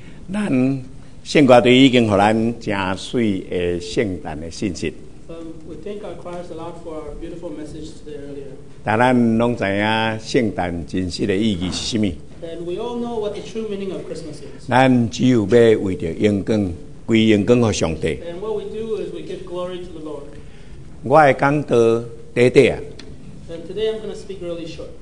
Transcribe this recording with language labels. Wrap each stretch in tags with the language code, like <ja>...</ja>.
<nan>咱圣歌队已经给咱真水的圣诞的信息。</nan> <en>We thank our choir a lot for our beautiful message today earlier.</en> <nan>但咱拢知影圣诞真实的意义是啥物。</nan> <en>And we all know what the true meaning of Christmas is.</en> <nan>咱只有要为着荣光归荣光给上帝。</nan> <en>And what we do is we give glory to the Lord.</en> <nan>我的讲道短短。</nan> <en>And today I'm going to speak really short.</en>